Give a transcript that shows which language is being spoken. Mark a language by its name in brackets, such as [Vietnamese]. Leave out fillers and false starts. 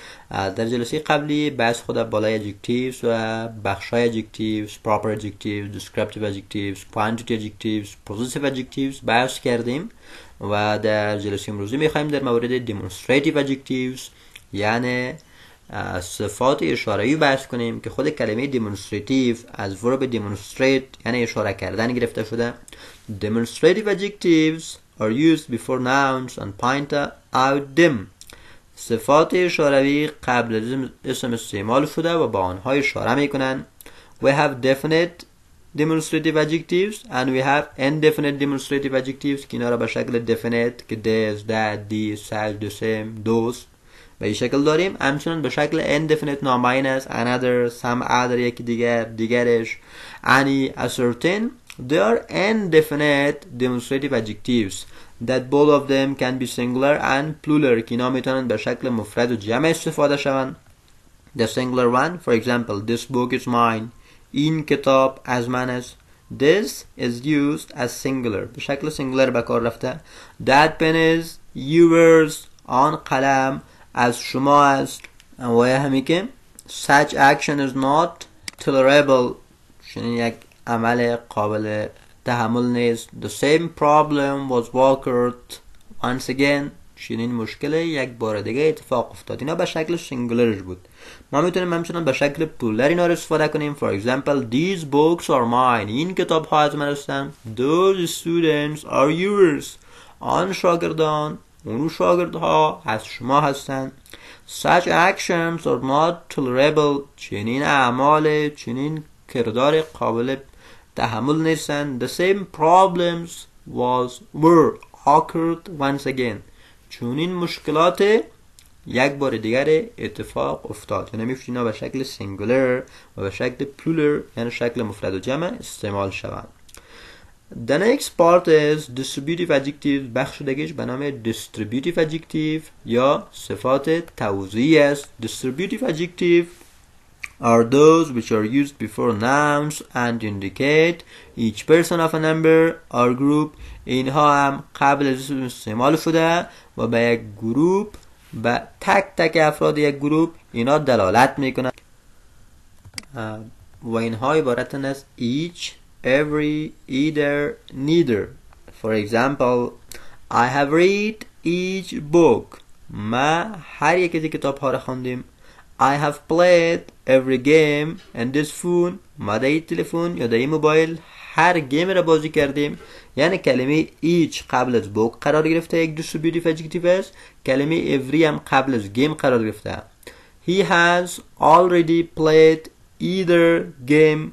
[Persian] در جلسه قبلی بحث خود بالای adjectives و بخش های adjectives, proper adjectives, descriptive adjectives, quantity adjectives, possessive adjectives بحث کردیم و در جلسه امروزی میخواییم در مورد demonstrative adjectives یعنی صفات اشارهی بحث کنیم که خود کلمه demonstrative از verb demonstrate یعنی اشاره کردن گرفته شده. [English] demonstrative adjectives are used before nouns and point out them. [Persian] صفات اشاروی قبل از اسم استعمال شده و با آنها اشاره میکنن. [English] We have definite demonstrative adjectives and we have indefinite demonstrative adjectives [Persian] که اینا را به شکل definite که this, that, this, such, the same, those به این شکل داریم. همچنان به شکل indefinite nominous, another, some other, یکی دیگر, دیگرش, any, a certain. [English] They are indefinite demonstrative adjectives that both of them can be singular and plural. [Persian] کینا میتونن به شکل مفرد و جمع استفاده شون. [English] The singular one, for example, this book is mine. [Persian] این کتاب از من است. [English] This is used as singular. [Persian] به شکل singular به کار رفته. [English] That pen is yours. [Persian] آن قلم از شما است. و همی که [English] such action is not tolerable. [Persian] چنین یک عمل قابل تحمل نیست. [English] The same problem was occurred once again. [Persian] چنین مشکلی یک بار دیگه اتفاق افتاد. اینا به شکل سینگولرش بود. ما میتونیم همچنان به شکل پلورال اینا رو استفاده کنیم. [English] For example, these books are mine. [Persian] این کتاب ها از من هستن. [English] Those students are yours. [Persian] آن شاگردان، اونو شاگردها از شما هستن. [English] Such actions are not tolerable. [Persian] چنین اعمال، چنین کردار قابل تحمل نیستن. [English] The same problems were occurred once again. [Persian] چون این مشکلات یک بار دیگر اتفاق افتاد. یعنی میفتینا به شکل singular و به شکل plural یعنی شکل مفرد و جمع استعمال شوند. [English] The next part is distributive adjectives. [Persian] بخش دیگهش به نام distributive adjective یا صفات توزیعی است. [English] Distributive adjective are those which are used before nouns and indicate each person of a number or group. [Persian] اینها هم قبل از اسم استعمال شده و به یک گروپ، به تک تک افراد یک گروپ اینا دلالت میکنند و اینها عبارتن از each, every, either, neither. [English] For example, I have read each book. [Persian] ما هر یکی از کتاب ها را خواندیم. [English] I have played every game and this phone. [Persian] ما در این تلفن یا در این موبایل هر گیم را بازی کردیم. یعنی کلمه each قبل از book قرار گرفته، یک distributive adjective است. کلمه every هم قبل از game قرار گرفته. [English] He has already played either game.